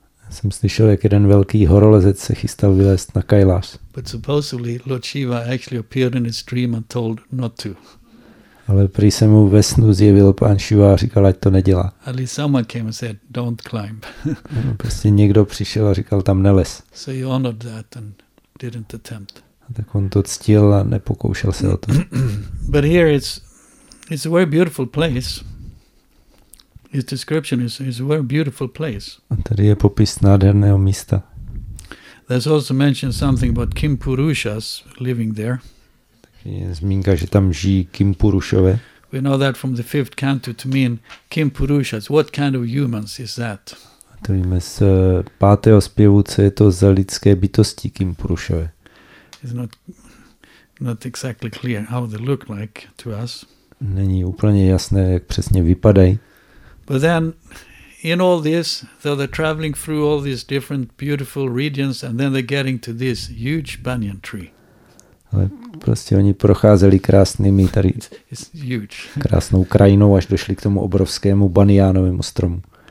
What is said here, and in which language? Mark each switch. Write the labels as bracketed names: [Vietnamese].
[Czech] Jsem slyšel, jak jeden velký horolezec se chystal vylézt na Kailas. [English] But supposedly Lord Shiva actually appeared in his dream and told not to. [Czech] Ale prý se mu ve snu zjevil pán Šiva a říkal, ať to nedělá. [English] At least someone came and said, don't climb. [Czech] Prostě někdo přišel a říkal, tam nelez. [English] So he honored that and didn't attempt. [Czech] A tak on to ctil a nepokoušel se o to. [English] But here it's a very beautiful place. His description is a very beautiful place. [Czech] A tady je popis nádherného místa. [English] There's also mentioned something about Kimpurushas living there. [Czech] Je zmínka, že tam žijí Kimpurušové. [English] We know that from the fifth canto to mean Kimpurušas. What kind of humans is that? [Czech] To víme z pátého zpěvu, co je to za lidské bytosti Kimpurušové. [English] It's not exactly clear how they look like to us. [Czech] Není úplně jasné, jak přesně vypadají. [English] But then, in all this, though they're traveling through all these different beautiful regions, and then they're getting to this huge banyan tree. [Czech] Ale prostě oni procházeli krásnými tady krásnou krajinou, až došli k tomu obrovskému baniánovému stromu.